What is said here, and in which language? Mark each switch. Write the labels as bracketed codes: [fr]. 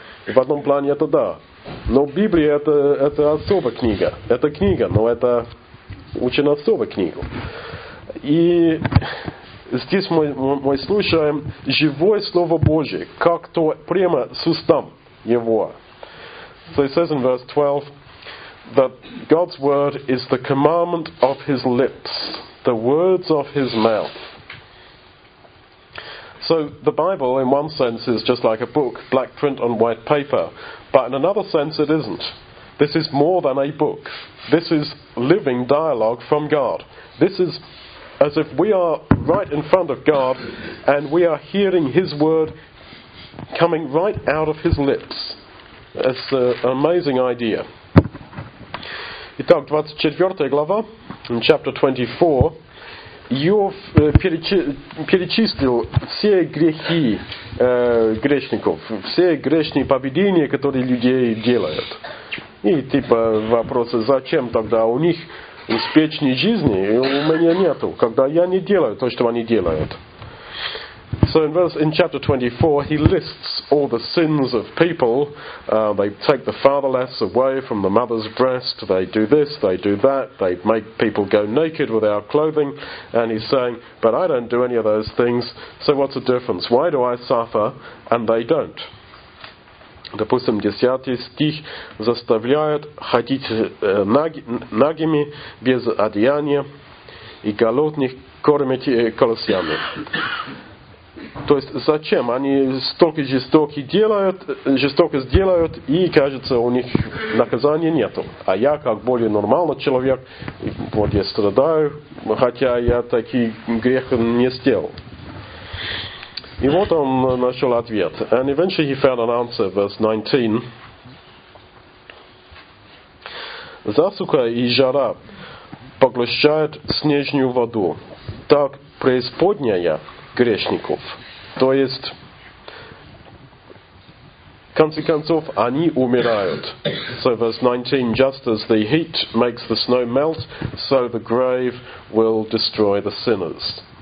[ru] И в одном плане это да. Но Библия это особая книга. Это книга, но это очень особая книга. И здесь мы слушаем живое Слово Божие, как то прямо с устом Его. [en] So it says in verse 12 that God's word is the commandment of his lips, the words of his mouth. So the Bible, in one sense, is just like a book, black print on white paper. But in another sense, it isn't. This is more than a book. This is living dialogue from God. This is as if we are right in front of God and we are hearing his word coming right out of his lips. It's an amazing idea. [ru] Итак, 24 глава, [en] chapter 24, [ru] Иов перечислил все грехи грешников, все грешные поведения, которые людей делают. И типа вопросы, зачем тогда у них успешной жизни, у меня нету, когда я не делаю то, что они делают. [en] So in chapter 24, he lists all the sins of people. They take the fatherless away from the mother's breast. They do this, they do that. They make people go naked without clothing. And he's saying, but I don't do any of those things. So what's the difference? Why do I suffer and they don't? [ru] Допустим, 10 стих заставляет ходить нагими без одеяния и голодных кормить колосьями. То есть зачем? Они столько жестоко делают, и кажется, у них наказания нету. А я, как более нормальный человек, вот я страдаю, хотя я такие грехи не сделал. И вот он нашел ответ. [en] And eventually he found an answer, verse 19. [ru] Засуха и жара поглощают снежную воду, так преисподняя грешников. То есть, в конце концов, они умирают. [en] So verse 19, just as the heat makes the snow melt, so the grave will destroy the sinners.